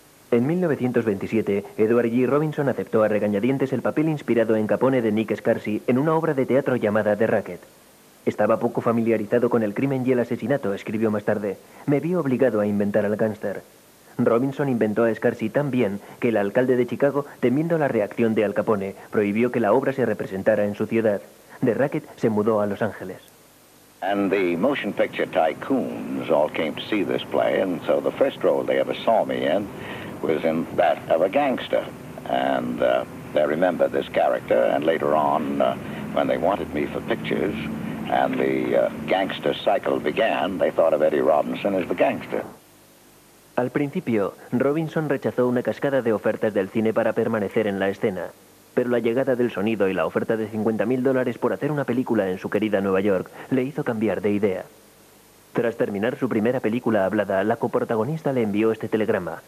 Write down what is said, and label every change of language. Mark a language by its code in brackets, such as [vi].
[es] En 1927, Edward G. Robinson aceptó a regañadientes el papel inspirado en Capone de Nick Scarsi en una obra de teatro llamada The Racket. Estaba poco familiarizado con el crimen y el asesinato, escribió más tarde. Me vi obligado a inventar al gánster. Robinson inventó a Scarsi tan bien que el alcalde de Chicago, temiendo la reacción de Al Capone, prohibió que la obra se representara en su ciudad. The Racket se mudó a Los Ángeles. [en] And the motion picture tycoons all came to see this play, and so the first role they ever saw me in was in that of a gangster. And they remember this character, and later on, when they wanted me for pictures, and the gangster cycle began, they thought of Eddie Robinson as the gangster. [es] Al principio, Robinson rechazó una cascada de ofertas del cine para permanecer en la escena. Pero la llegada del sonido y la oferta de $50,000 por hacer una película en su querida Nueva York le hizo cambiar de idea. Tras terminar su primera película hablada, la coprotagonista le envió este telegrama.